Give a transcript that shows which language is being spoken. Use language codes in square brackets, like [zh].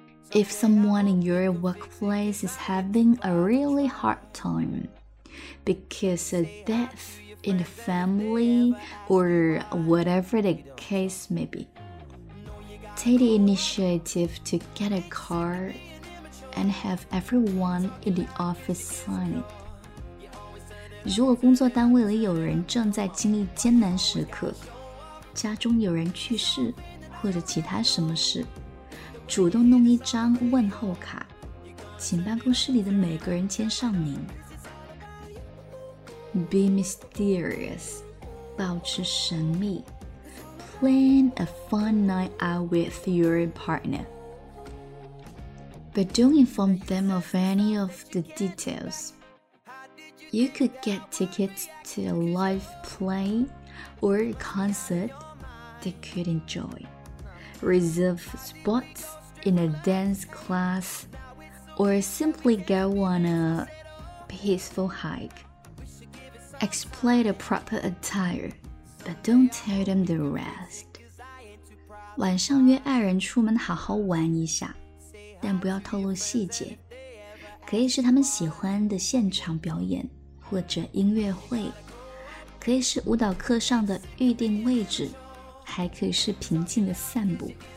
[en] If someone in your workplace is having a really hard time because of death in the family or whatever the case may be, take the initiative to get a card and have everyone in the office sign. [zh] 如果工作单位里有人正在经历艰难时刻，家中有人去世，或者其他什么事，主动弄一张问候卡，请办公室里的每个人签上名。 [en] Be mysterious， [zh] 保持神秘。 [en] Plan a fun night out with your partner， but don't inform them of any of the details. You could get tickets to a live play or a concert they could enjoy. Reserve spots. In a dance class, or simply go on a peaceful hike. Explain the proper attire, but don't tell them the rest. [zh] 晚上约爱人出门好好玩一下，但不要透露细节。可以是他们喜欢的现场表演，或者音乐会，可以是舞蹈课上的预定位置，还可以是平静的散步。